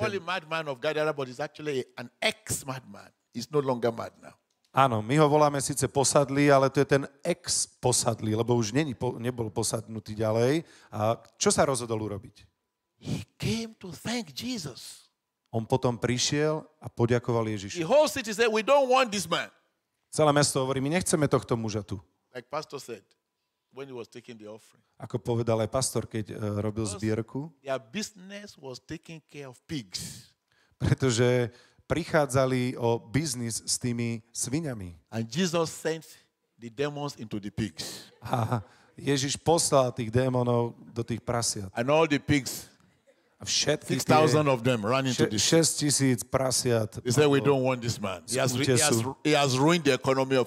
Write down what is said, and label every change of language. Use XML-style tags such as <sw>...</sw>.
<en>Call him madman of Gadara, but he's actually an ex-madman. He's no longer mad now.</en> <sk>Áno, my ho voláme síce posadlý, ale to je ten ex-posadlý, lebo už nebol posadnutý ďalej. A čo sa rozhodol urobiť?</sk> <en>He came to thank Jesus.</en> <sk>On potom prišiel a poďakoval Ježišu.</sk> <en>The whole city said, we don't want this man.</en> <sk>Celé mesto hovorí, my nechceme tohto muža tu.</sk> <en>Like pastor said, when he was taking the offering.</en> <sk>Ako povedal aj pastor, keď robil zbierku.</sk> <en>Their business was taking care of pigs.</en> <sk>Pretože prichádzali o biznis s tými sviňami.</sk> <en>And Jesus sent the demons into the pigs.</en> <sk>A Ježiš poslal tých démonov do tých prasiat.</sk> <en>And all the pigs.</en> <sk>A všetky</sk> <en>6,000 of them ran into the</en> <sk>6,000 prasiat.</sk> <en>He said, we don't want this man. He has ruined the economy of</en>